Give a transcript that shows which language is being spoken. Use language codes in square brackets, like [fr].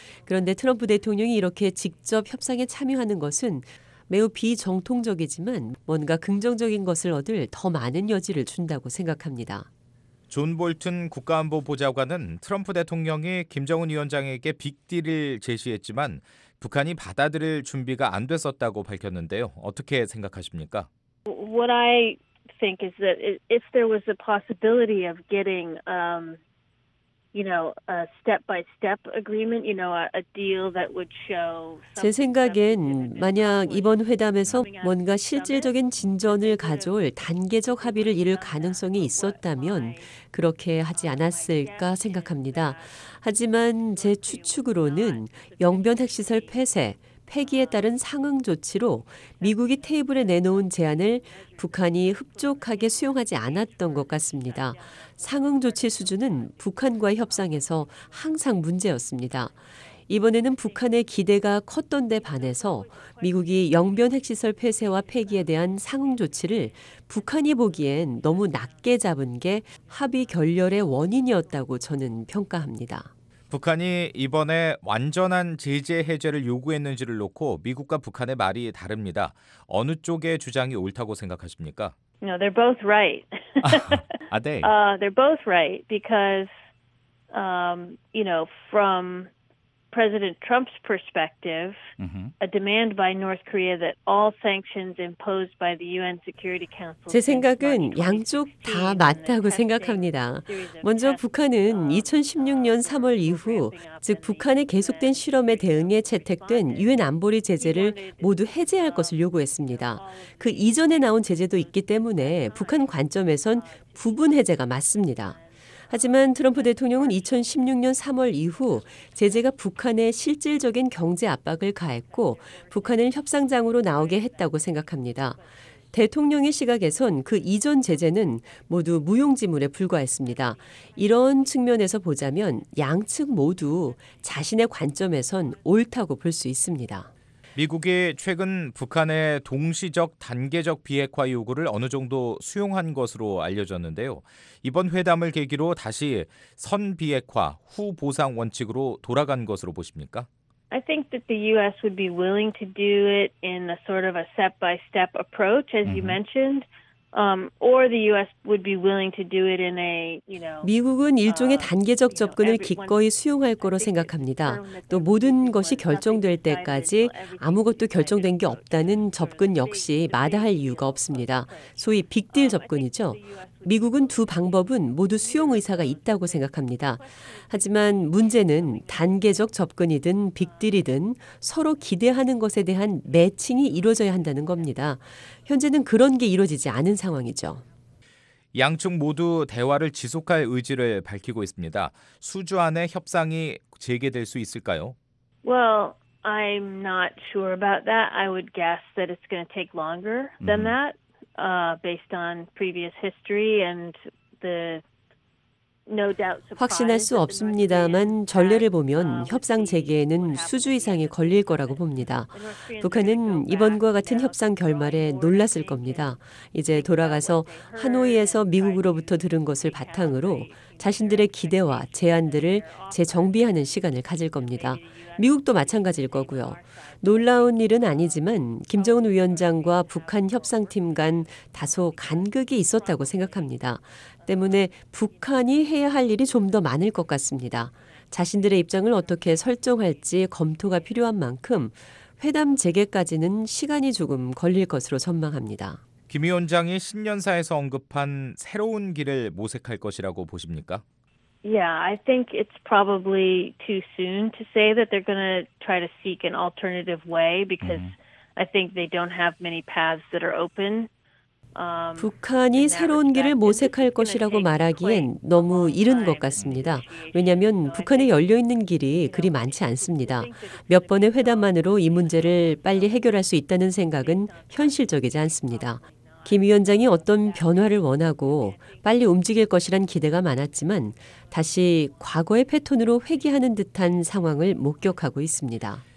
[ko] 그런데 트럼프 대통령이 이렇게 직접 협상에 참여하는 것은 매우 비정통적이지만 뭔가 긍정적인 것을 얻을 더 많은 여지를 준다고 생각합니다. 존 볼튼 국가안보 보좌관은 트럼프 대통령이 김정은 위원장에게 빅딜을 제시했지만 북한이 받아들일 준비가 안 됐었다고 밝혔는데요. 어떻게 생각하십니까? [en] What I think is that if there was a possibility of getting a step-by-step agreement, a deal that would show [ko] 제 생각엔 만약 이번 회담에서 뭔가 실질적인 진전을 가져올 단계적 합의를 이룰 가능성이 있었다면 그렇게 하지 않았을까 생각합니다. 하지만 제 추측으로는 영변 핵시설 폐쇄 폐기에 따른 상응 조치로 미국이 테이블에 내놓은 제안을 북한이 흡족하게 수용하지 않았던 것 같습니다. 상응 조치 수준은 북한과 협상에서 항상 문제였습니다. 이번에는 북한의 기대가 컸던 데 반해서 미국이 영변 핵시설 폐쇄와 폐기에 대한 상응 조치를 북한이 보기엔 너무 낮게 잡은 게 합의 결렬의 원인이었다고 저는 평가합니다. 북한이 이번에 완전한 제재 해제를 요구했는지를 놓고 미국과 북한의 말이 다릅니다. 어느 쪽의 주장이 옳다고 생각하십니까? [en] No, they're both right. [ko] 아, 네. [en] They're both right because you know, from President Trump's perspective, a demand by North Korea that all sanctions imposed by the UN Security Council. [ko] 제 생각은 양쪽 다 맞다고 생각합니다. 먼저 북한은 2016년 3월 이후, 즉 북한의 계속된 실험에 대응해 채택된 UN 안보리 제재를 모두 해제할 것을 요구했습니다. 그 이전에 나온 제재도 있기 때문에 북한 관점에선 부분 해제가 맞습니다. 하지만 트럼프 대통령은 2016년 3월 이후 제재가 북한에 실질적인 경제 압박을 가했고 북한을 협상장으로 나오게 했다고 생각합니다. 대통령의 시각에선 그 이전 제재는 모두 무용지물에 불과했습니다. 이런 측면에서 보자면 양측 모두 자신의 관점에선 옳다고 볼 수 있습니다. 미국이 최근 북한의 동시적 단계적 비핵화 요구를 어느 정도 수용한 것으로 알려졌는데요. 이번 회담을 계기로 다시 선 비핵화, 후 보상 원칙으로 돌아간 것으로 보십니까? [en] I think that the US would be willing to do it in a sort of a step-by-step approach as you mentioned. Or the US would be willing to do it in a, you know. [ko] 미국은 일종의 단계적 접근을 기꺼이 수용할 거로 생각합니다. 또 모든 것이 결정될 때까지 아무것도 결정된 게 없다는 접근 역시 마다할 이유가 없습니다. 소위 빅딜 접근이죠. 미국은 두 방법은 모두 수용 의사가 있다고 생각합니다. 하지만 문제는 단계적 접근이든 빅딜이든 서로 기대하는 것에 대한 매칭이 이루어져야 한다는 겁니다. 현재는 그런 게 이루어지지 않은 상황이죠. 양측 모두 대화를 지속할 의지를 밝히고 있습니다. 수주 안에 협상이 재개될 수 있을까요? [en] Well, I'm not sure about that. I would guess that it's going to take longer than that. Based on previous history and the no doubt [ko] 확신할 수 없습니다만 전례를 보면 협상 재개에는 수주 이상이 걸릴 거라고 봅니다. 북한은 이번과 같은 협상 결말에 놀랐을 겁니다. 이제 돌아가서 하노이에서 미국으로부터 들은 것을 바탕으로 자신들의 기대와 제안들을 재정비하는 시간을 가질 겁니다. 미국도 마찬가지일 거고요. 놀라운 일은 아니지만 김정은 위원장과 북한 협상팀 간 다소 간극이 있었다고 생각합니다. 때문에 북한이 해야 할 일이 좀 더 많을 것 같습니다. 자신들의 입장을 어떻게 설정할지 검토가 필요한 만큼 회담 재개까지는 시간이 조금 걸릴 것으로 전망합니다. 김 위원장이 신년사에서 언급한 새로운 길을 모색할 것이라고 보십니까? [en] Yeah, I think it's probably too soon to say that they're going to try to seek an alternative way because I think they don't have many paths that are open. [ko] 북한이 새로운 길을 모색할 것이라고 말하기엔 너무 이른 것 같습니다. 왜냐하면 북한에 열려있는 길이 그리 많지 않습니다. 몇 번의 회담만으로 이 문제를 빨리 해결할 수 있다는 생각은 현실적이지 않습니다. 김 위원장이 어떤 변화를 원하고 빨리 움직일 것이란 기대가 많았지만 다시 과거의 패턴으로 회귀하는 듯한 상황을 목격하고 있습니다.